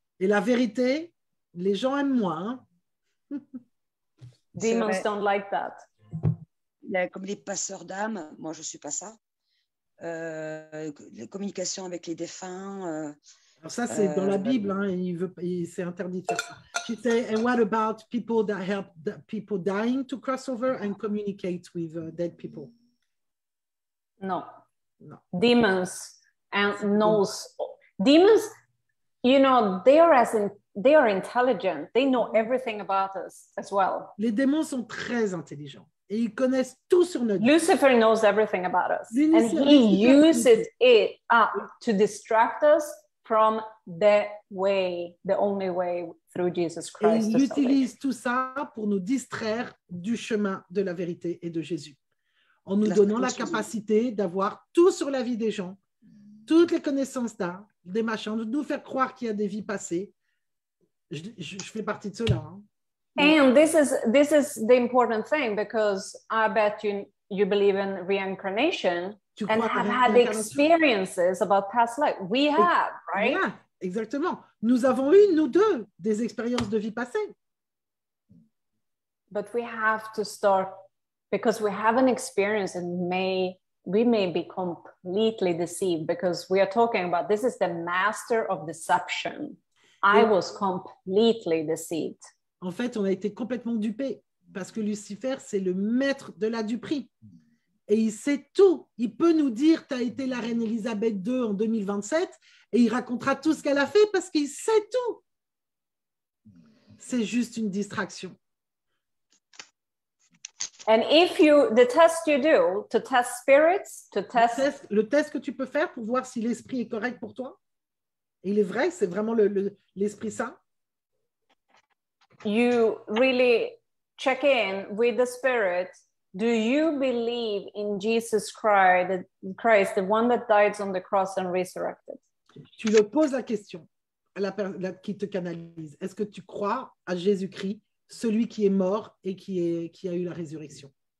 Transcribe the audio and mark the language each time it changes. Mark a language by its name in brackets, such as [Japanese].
[French] Et la vérité, les gens aiment moins. [English] Demons don't like that. [French] Comme les passeurs d'âme, moi je ne suis pas ça. La communication avec les défunts. Alors ça, c'est dans la Bible, hein, c'est interdit de faire ça. [English] She said, and what about people that help people dying to cross over and communicate with dead people? No. Demons and knows. Demons, you know, they are intelligent. They know everything about us as well. [French] Les démons sont très intelligents et ils connaissent tout sur notre vie. [English] Lucifer knows everything about us. And he uses it up to distract us from the way, the only way through Jesus Christ. [French] Et il utilise tout ça pour nous distraire du chemin de la vérité et de Jésus, en nous donnant la capacité d'avoir tout sur la vie des gens, toutes les connaissances d'art, des machins, de nous faire croire qu'il y a des vies passées. Je fais partie de cela. Hein. [English] And this is the important thing because I bet you believe in reincarnation. And have had experiences about past life. We have, right? Yeah, [French] exactement. Nous avons eu, nous deux, des expériences de vie passée. [English] But we have to start, because we have an experience and we may be completely deceived because we are talking about, this is the master of deception. I was completely deceived. [French] En fait, on a été complètement dupé parce que Lucifer, c'est le maître de la duperie. Et il sait tout. Il peut nous dire tu as été la reine Elisabeth II en 2027 et il racontera tout ce qu'elle a fait parce qu'il sait tout. C'est juste une distraction. [English] And if you, the test you do to test spirits, to test... [French] Le test que tu peux faire pour voir si l'esprit est correct pour toi, il est vrai, c'est vraiment l'esprit saint. [English] You really check in with the spirit. Do you believe in Jesus Christ, the one that died on the cross and resurrected? [French] Tu le poses la question. qui te canalise. Est-ce que tu crois à Jésus-Christ, celui qui est mort et qui a eu la résurrection?